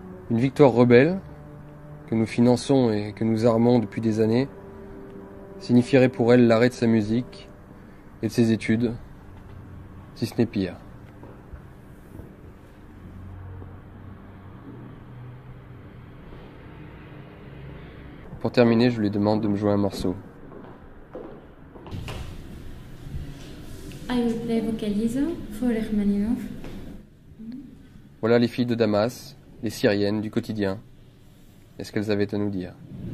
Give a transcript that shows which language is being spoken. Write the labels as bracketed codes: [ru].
[fr] Une victoire rebelle, que nous finançons et que nous armons depuis des années, signifierait pour elle l'arrêt de sa musique et de ses études. Si ce n'est pire. Pour terminer, je lui demande de me jouer un morceau. [en] I will play vocalise for Rachmaninoff. [fr] Voilà les filles de Damas, les Syriennes du quotidien. Est-ce qu'elles avaient à nous dire ?